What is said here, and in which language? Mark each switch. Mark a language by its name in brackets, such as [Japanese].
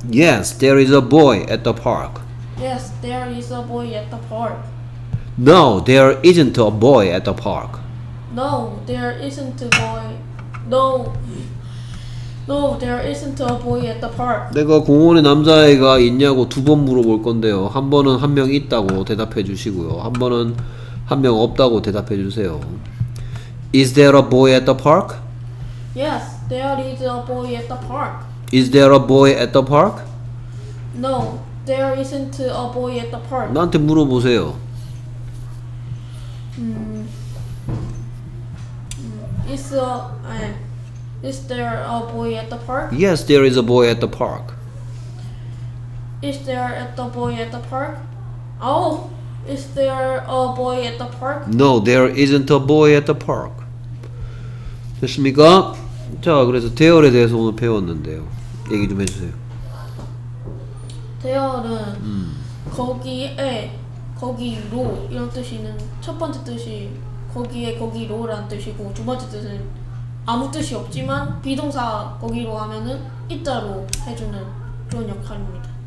[English] Yes, there is a boy at the park. Yes, there is a boy at the park. No, there isn't a boy at the park. No, there isn't a boy. No, there isn't a boy at the park. [Korean] 내가 공원에 남자애가 있냐고 두 번 물어볼 건데요. 한 번은 한 명 있다고 대답해 주시고요. 한 번은 한 명 없다고 대답해 주세요. [English] Is there a boy at the park? Yes. There is a boy at the park. Is there a boy at the park? No, there isn't a boy at the park. [Korean] 나한테 물어보세요. [English] Is there a boy at the park? Yes, there is a boy at the park. Is there a boy at the park? Oh, is there a boy at the park? No, there isn't a boy at the park. [Korean] 됐습니까? 자, 그래서 대열에 대해서 오늘 배웠는데요. 얘기 좀 해주세요. 대열은 거기에 거기로 이런 뜻이는 첫 번째 뜻이 거기에 거기로라는 뜻이고 두 번째 뜻은 아무 뜻이 없지만 비동사 거기로 하면은 있다로 해주는 그런 역할입니다.